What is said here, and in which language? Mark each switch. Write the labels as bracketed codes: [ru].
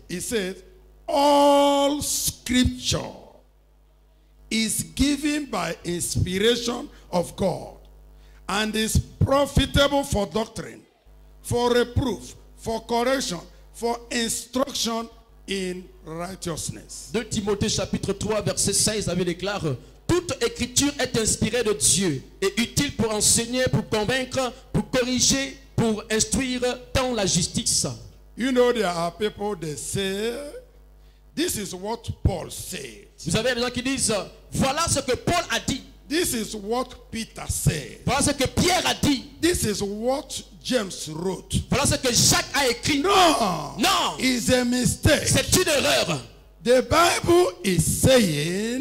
[en] He said, all scripture is given by inspiration of God and is profitable for doctrine, for reproof, for correction, for instruction in righteousness. [fr] 2 Timothée chapitre 3 verset 16 avait déclaré, toute écriture est inspirée de Dieu et utile pour enseigner, pour convaincre, pour corriger, pour instruire dans la justice. [en] You know, there are people that say, this is what Paul said. [fr] Vous avez des gens qui disent, voilà ce que Paul a dit. [en] This is what Peter said. [fr] Voilà ce que Pierre a dit. [en] This is what James wrote. [fr] Voilà ce que Jacques a écrit. Non. [en] It's a mistake. [fr] C'est une erreur. [en] The Bible is saying,